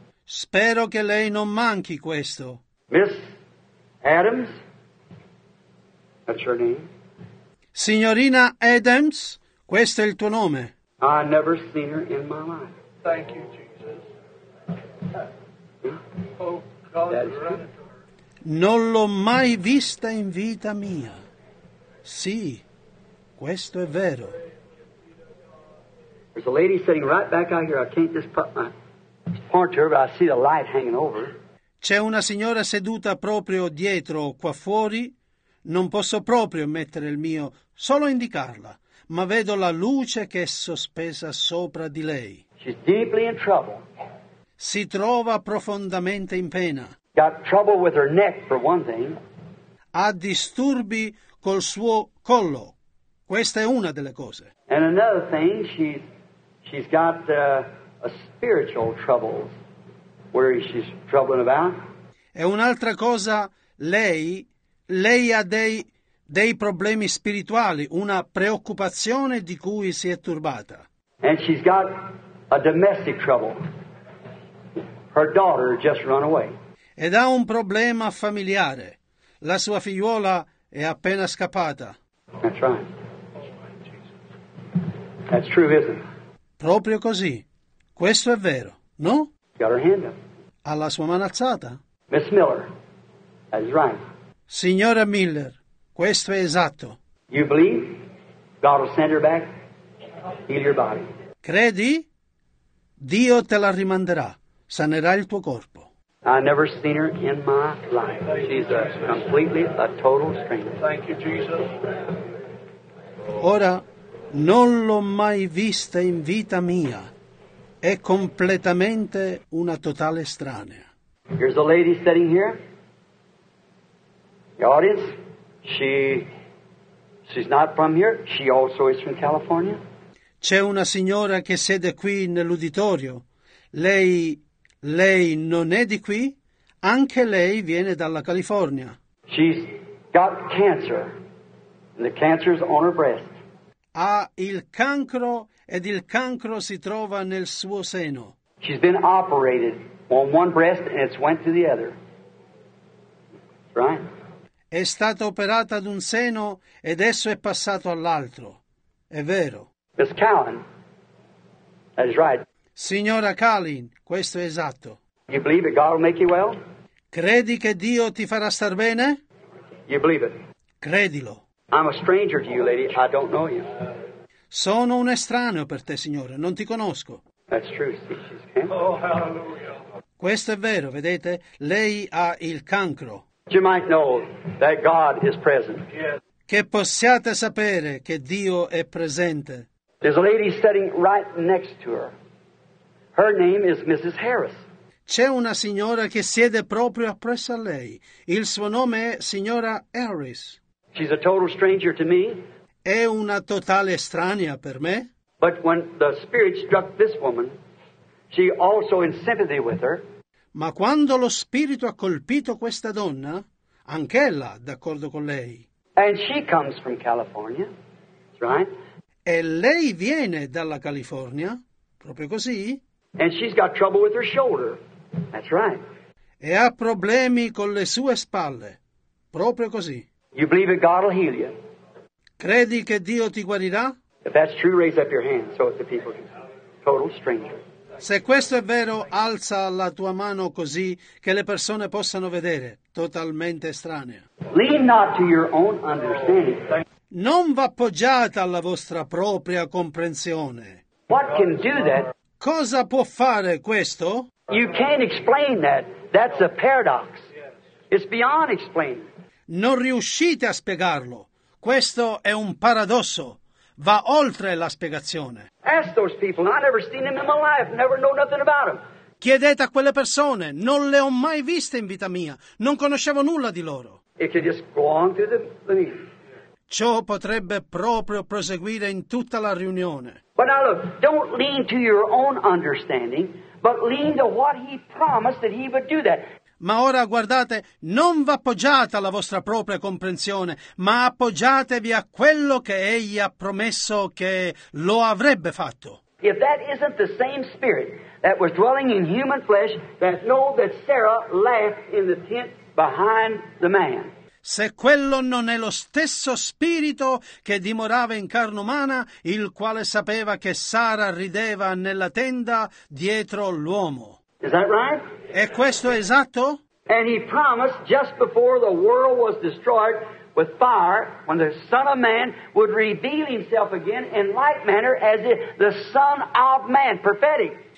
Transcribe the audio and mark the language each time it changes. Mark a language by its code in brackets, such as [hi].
[it] Spero che lei non manchi questo. [en] Miss Adams? That's your name? [it] Signorina Adams, questo è il tuo nome. [en] I never seen her in my life. Thank you, Jesus. Oh, God. That's good. [it] Non l'ho mai vista in vita mia. Sì, questo è vero. [en] There's a lady sitting right back out here. I can't just put my pointer, but I see the light hanging over. [it] C'è una signora seduta proprio dietro qua fuori. Non posso proprio mettere il mio, solo indicarla, ma vedo la luce che è sospesa sopra di lei. [en] She's deeply in trouble. [it] Si trova profondamente in pena. [en] Got trouble with her neck, for one thing. [it] Ha disturbi col suo collo. Questa è una delle cose. [en] And another thing, she's got a spiritual trouble. Where she's troubling about? [it] E un'altra cosa, lei ha dei problemi spirituali, una preoccupazione di cui si è turbata. [en] And she's got a domestic trouble. Her daughter just run away. [it] Ed ha un problema familiare. La sua figliuola è appena scappata. [en] That's right. That's true, isn't it? [it] Proprio così. Questo è vero, no? [en] Got her hand up. [it] Ha la sua mano alzata. [en] Miss Miller. That's right. [it] Signora Miller, questo è esatto. [en] You believe? God will send her back. Heal your body. [it] Credi? Dio te la rimanderà. Sanerà il tuo corpo. [en] I never seen her in my life. She's a completely a total stranger. Thank you, Jesus. [it] Ora non l'ho mai vista in vita mia. È completamente una totale estranea. [en] Here's a lady sitting here. The audience. She's not from here. She also is from California. [it] C'è una signora che siede qui nell'uditorio. Lei non è di qui? Anche lei viene dalla California. [en] She's got cancer. And the cancer's on her breast. [it] Ha il cancro ed il cancro si trova nel suo seno. [en] She's been operated on one breast and it's went to the other. Right? [it] È stata operata ad un seno ed esso è passato all'altro. È vero. [en] Miss Callan. That is right. [it] Signora Callan, questo è esatto. [en] You believe that God will make you well? [it] Credi che Dio ti farà star bene? [en] You believe it. [it] Credilo. [en] I'm a stranger to you, lady. I don't know you. [it] Sono un estraneo per te, signore. Non ti conosco. [en] That's true. See, she's cancer. Oh, hallelujah. [it] Questo è vero, vedete? Lei ha il cancro. [en] You might know that God is present. Yes. [it] Che possiate sapere che Dio è presente. [en] There's a lady sitting right next to her. Her name is Mrs. Harris. [it] C'è una signora che siede proprio appresso a lei. Il suo nome è signora Harris. [en] She's a total stranger to me. [it] È una totale estranea per me. [en] But when the Spirit struck this woman, she also in sympathy with her. [it] Ma quando lo Spirito ha colpito questa donna, anch'ella d'accordo con lei. [en] And she comes from California, right? [it] E lei viene dalla California, proprio così. [en] And she's got trouble with her shoulder, that's right. [it] E ha problemi con le sue spalle, proprio così. [en] You believe that God will heal you? [it] Credi che Dio ti guarirà? [en] If that's true, raise up your hand so that the people can see. Total stranger. [it] Se questo è vero, alza la tua mano così che le persone possano vedere. Totalmente estranea. [en] Lean not to your own understanding. [it] Non va appoggiata alla vostra propria comprensione. [en] What can do that? [it] Cosa può fare questo? [en] You can't explain that. That's a paradox. It's beyond explaining. [it] Non riuscite a spiegarlo. Questo è un paradosso. Va oltre la spiegazione. [en] Ask those people. I've never seen them in my life. Never know nothing about them. [it] Chiedete a quelle persone. Non le ho mai viste in vita mia. Non conoscevo nulla di loro. [en] If you just go on through the meeting. [it] ciò potrebbe proprio proseguire in tutta la riunione. [en] But now look, don't lean to your own understanding, but lean to what he promised that he would do that. [it] Ma ora guardate, non vi appoggiate alla vostra propria comprensione, ma appoggiatevi a quello che egli ha promesso che lo avrebbe fatto. [en] If that isn't the same spirit that was dwelling in human flesh that know that Sarah laughed in the tent behind the man. [it] Se quello non è lo stesso spirito che dimorava in carne umana, il quale sapeva che Sara rideva nella tenda dietro l'uomo. [en] Is that right? [it] E questo è esatto? [en] And he promised just before the world was destroyed with fire, when the Son of Man would reveal himself again in like manner as the Son of Man, prophetic.